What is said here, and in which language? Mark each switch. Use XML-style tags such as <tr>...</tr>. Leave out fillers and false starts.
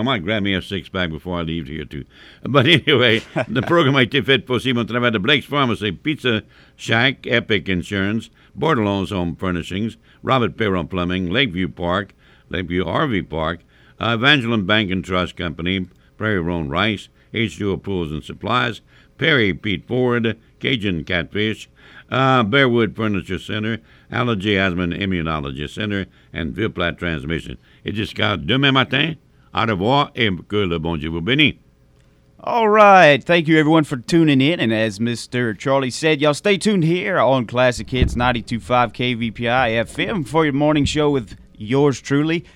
<en>I might grab me a six-pack before I leave here, too. But anyway, the program I did fit for Simon Travada, Blake's Pharmacy, Pizza Shack, Epic Insurance, Bordelon's Home Furnishings, Robert Perron Plumbing, Lakeview Park, Lakeview RV Park, Evangeline Bank and Trust Company, Prairie Roan Rice, H2O Pools and Supplies, Perry Pete Ford, Cajun Catfish, Bearwood Furniture Center, Allergy, Asthma, and Immunology Center, and Villeplatte Transmission.</en> <fr>Et jusqu'à demain matin, au revoir et que le bon Dieu vous bénisse.</fr> <en>All right. Thank you, everyone, for tuning in. And as Mr. Charlie said, y'all stay tuned here on Classic Hits 92.5 KVPI FM for your morning show with yours truly.</en>